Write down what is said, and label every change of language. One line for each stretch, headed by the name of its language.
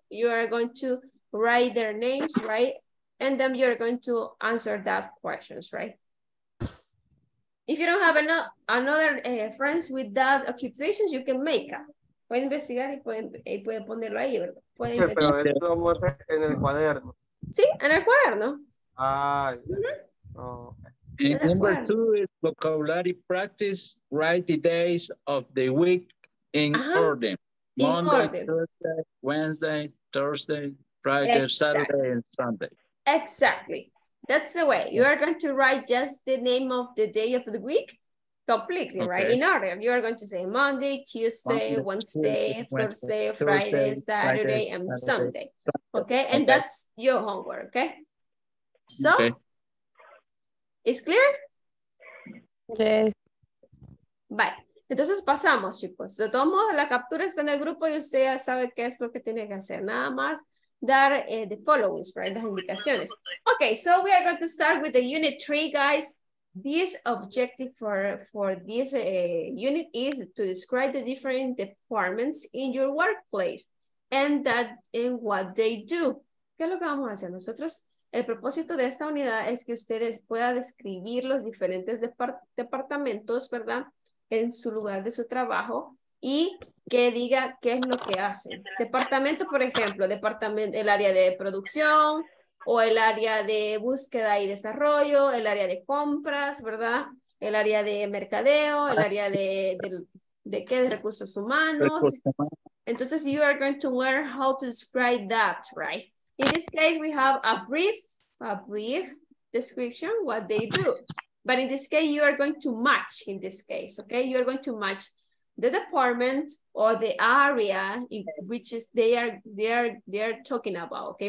English: You are going to write their names, right? And then you are going to answer that questions, right? If you don't have another friends with that occupations, you can make up.
Spanish: Pueden investigar y pueden ponerlo ahí, ¿verdad? Pueden sí, pero eso lo vamos a hacer en el cuaderno. Sí, en el cuaderno. Ay.
English: And number two is vocabulary practice. Write the days of the week in order. Monday, Thursday, Wednesday, Thursday, Friday, exactly. Saturday, and Sunday. Exactly. That's the way. You are going to write just the name of the day of the week. Completely, okay. Right? In order. You are going to say Monday, Tuesday, Wednesday, Thursday, Friday, Saturday, and Sunday. Okay? And that's your homework, okay? So, okay. It's clear? Yes.
Spanish: Bye. Entonces pasamos, chicos. De todos modos, la captura está en el grupo y usted ya sabe qué es lo que tiene que hacer. Nada más dar
English: the followings, right?
Spanish: Las indicaciones.
English: Okay, so we are going to start with the unit 3, guys. This objective for this unit is to describe the different departments in your workplace and that in what they do.
Spanish: ¿Qué es lo que vamos a hacer nosotros? El propósito de esta unidad es que ustedes puedan describir los diferentes departamentos, ¿verdad? En su lugar de su trabajo y que diga qué es lo que hacen. Departamento, por ejemplo, departamento, el área de producción, o el área de búsqueda y desarrollo, el área de compras, ¿verdad? El área de mercadeo, el área de qué, de recursos humanos.
English: Entonces, you are going to learn how to describe that, right? In this case, we have a brief description what they do. But in this case, you are going to match in this case, okay? You are going to match the department or the area in which is they are talking about, okay?